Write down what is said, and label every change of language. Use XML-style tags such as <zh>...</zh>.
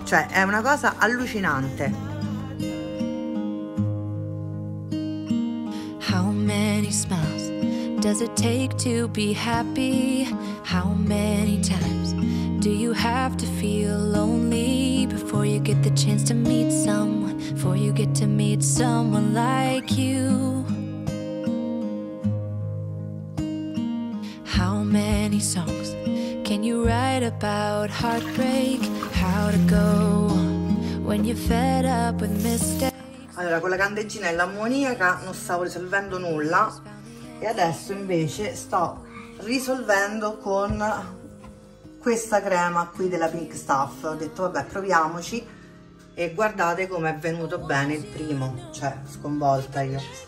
<it>Cioè, è una cosa allucinante.</it> <en>How many smiles does it take to be happy? How many times do you have to feel lonely before you get the chance to meet someone? Before you get to meet someone like you? Many songs can you write about heartbreak? How to go when you're fed up with mistakes?</en> <it>Allora, con la candeggina e l'ammoniaca non stavo risolvendo nulla, e adesso invece sto risolvendo con questa crema qui della Pink Stuff. Ho detto vabbè, proviamoci, e guardate come è venuto bene il primo, cioè sconvolta io.</it>